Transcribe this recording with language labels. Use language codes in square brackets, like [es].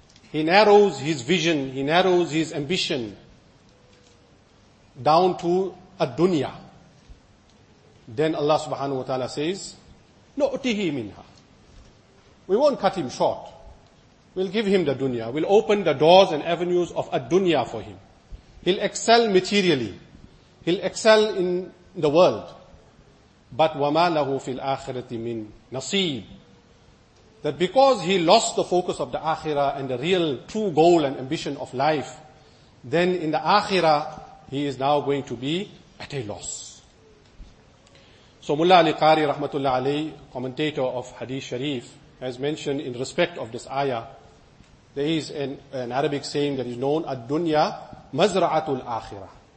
[en] He narrows his vision, he narrows his ambition down to a dunya. Then Allah subhanahu wa ta'ala says, [ar] نُؤْتِهِ مِنْهَا. [en] We won't cut him short. We'll give him the dunya. We'll open the doors and avenues of a dunya for him. He'll excel materially. He'll excel in the world. [ar] But وَمَا لَهُ فِي الْآخِرَةِ مِنْ نَصِيبٍ. [en] That because he lost the focus of the akhirah and the real true goal and ambition of life, then in the akhirah, he is now going to be at a loss. So Mullah Ali Qari Rahmatullah Ali, commentator of Hadith Sharif, as mentioned in respect of this ayah, there is an Arabic saying that is known, Ad-Dunya Mazra'atul Akhirah.